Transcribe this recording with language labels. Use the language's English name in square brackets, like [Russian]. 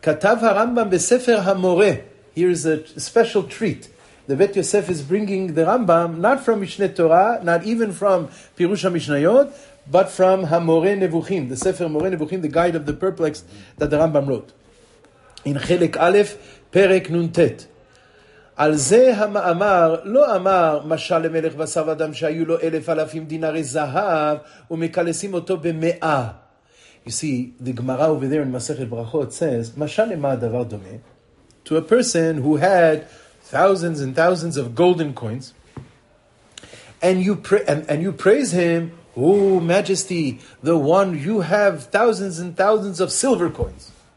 [Hebrew] Katav haRambam beSefer haMore. [English] Here is a special treat. The Bet Yosef is bringing the Rambam not from Mishne Torah, not even from Pirusha Mishnayot, but from haMore Nevuchim, the Sefer More Nevuchim, the Guide of the Perplexed that the Rambam wrote. In Chelek Aleph, Perek Nun Tet. [Hebrew] על זה המאמר לא אמר משל למלך בשר ודם שהיו לו 1,000 דינרי זהב ומקלסים אותו במאה. [English] You see, the Gemara over there in Masechet Brachot says, [Hebrew] משל למה הדבר דומה? [English] To a person who had thousands and thousands of golden coins and you praise him, oh majesty, the one you have thousands and thousands of silver coins.